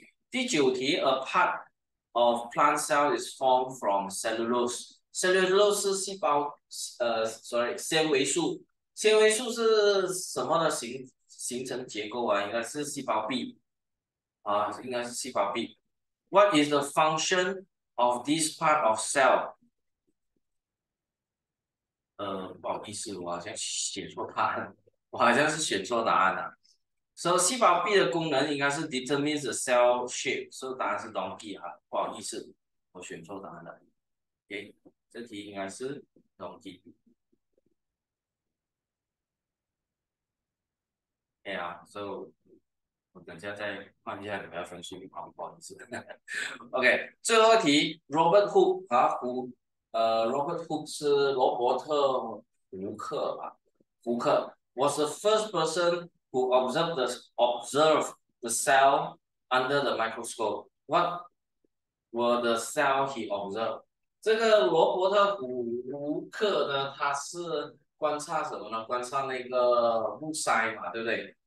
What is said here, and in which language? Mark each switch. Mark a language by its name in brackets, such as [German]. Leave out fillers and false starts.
[Chinese] 第九题， [English] a part of plant cell is formed from cellulose. [Chinese] Cellulose 是细胞，sorry，纤维素。纤维素是什么的形成结构啊？应该是细胞壁啊，应该是细胞壁。 [English] What is the function of this part of cell？ [Chinese] 不好意思，我好像写错答案，我好像是选错答案了。 So 细胞壁的功能应该是 [English] determine the cell shape， [Chinese] 所以答案是 donkey 哈，不好意思，我选错答案了。这题应该是 donkey。所以我等一下再换一下你们的分数，不好意思。 OK，最后一题，Robert Hooke 啊，Robert Hooke 是罗伯特·胡克吧？ [English] 胡克 was the first person who observed the cell under the microscope? What were the cell he observed? [Chinese] 这个罗伯特胡克呢，他是观察什么呢？观察那个木塞嘛，对不对？